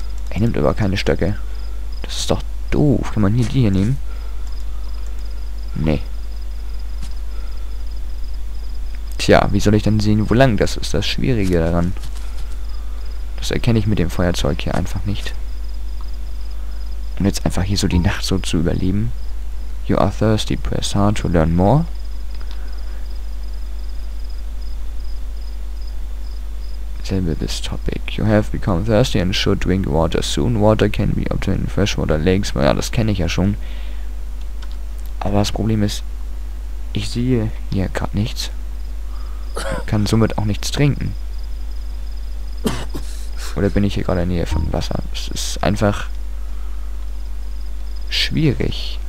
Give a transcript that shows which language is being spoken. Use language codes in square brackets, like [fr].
[de] Er nimmt aber keine Stöcke. Das ist doch doof. Kann man hier die hier nehmen? Nee. Tja, wie soll ich denn sehen, wo lang? Das ist das Schwierige daran. Das erkenne ich mit dem Feuerzeug hier einfach nicht. Und jetzt einfach hier so die Nacht so zu überleben. [en] You are thirsty. Press hard to learn more. With this topic. You have become thirsty and should drink water soon. Water can be obtained in freshwater lakes. [de] Ja, das kenne ich ja schon. Aber das Problem ist, ich sehe hier gerade nichts. Kann somit auch nichts trinken. Oder bin ich hier gerade in der Nähe von Wasser? Es ist einfach schwierig.